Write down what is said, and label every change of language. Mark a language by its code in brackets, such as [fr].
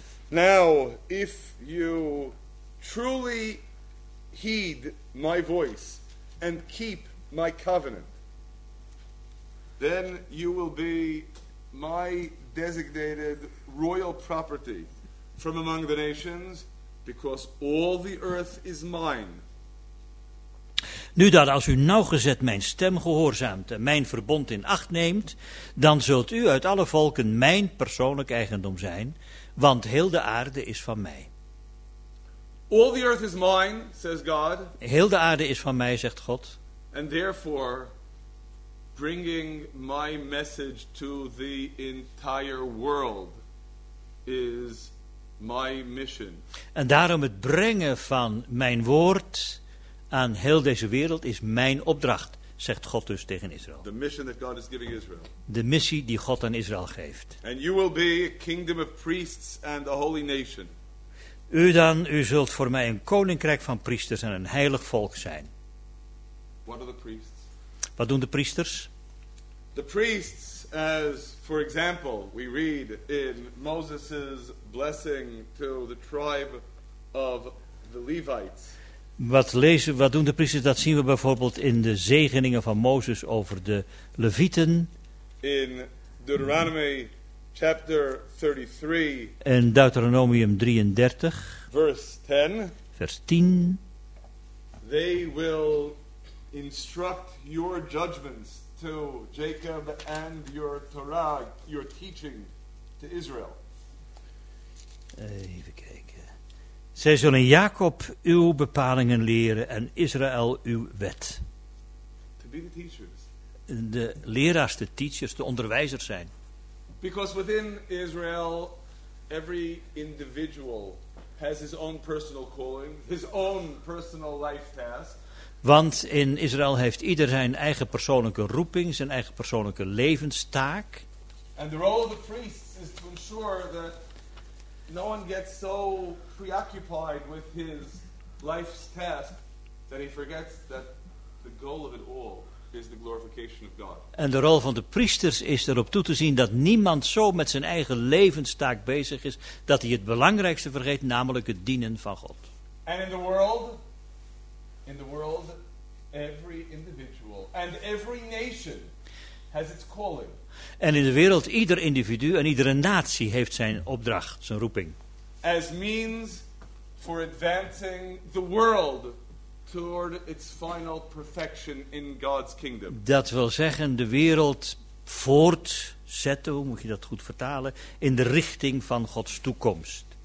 [en] Now, if you truly heed my voice and keep my covenant, then you will be my designated royal property from among the nations, because all the earth is mine. [nl] Nu dat als u nauwgezet mijn stem gehoorzaamt en mijn verbond in acht neemt, dan zult u uit alle volken mijn persoonlijk eigendom zijn, want heel de aarde is van mij. [en] All the earth is mine, says God. [nl] Heel de aarde is van mij, zegt God. [en] And therefore, bringing my message to the entire world is my mission. [nl] En daarom het brengen van mijn woord aan heel deze wereld is mijn opdracht, zegt God dus tegen Israël. [en] The mission that God is giving Israel. [nl] De missie die God aan Israël geeft. [en] And you will be a kingdom of priests and a holy nation. [nl] U dan, u zult voor mij een koninkrijk van priesters en een heilig volk zijn. [en] What are the priests? [nl] Wat doen de priesters? [en] The priests, as for example, we read in Moses' blessing to the tribe of the Levites. [nl] Wat doen de priesters? Dat zien we bijvoorbeeld in de zegeningen van Mozes over de Levieten. [en] In Deuteronomy chapter 33. [nl] In Deuteronomium 33. Vers 10. [en] They will instruct your judgments to Jacob and your Torah, your teaching to Israel. [nl] Even kijken. Zij zullen Jacob uw bepalingen leren en Israël uw wet. [en] To be the teachers. [nl] De leraars, de teachers, de onderwijzers zijn. [en] Because within Israel, every individual has his own personal calling, his own personal life task. [nl] Want in Israël heeft ieder zijn eigen persoonlijke roeping, zijn eigen persoonlijke levenstaak. [en] And the role of the priests is to ensure that no one gets so preoccupied with his life's task that he forgets that the goal of it all is the glorification of God. [nl] En de rol van de priesters is erop toe te zien dat niemand zo met zijn eigen levenstaak bezig is dat hij het belangrijkste vergeet, namelijk het dienen van God. [en] And in the world, every individual and every nation has its calling. [nl] En in de wereld, ieder individu en iedere natie heeft zijn opdracht, zijn roeping. [en] As means for advancing the world toward its final perfection in God's kingdom. [nl] Dat wil zeggen, de wereld voortzetten, hoe moet je dat goed vertalen, in de richting van Gods toekomst.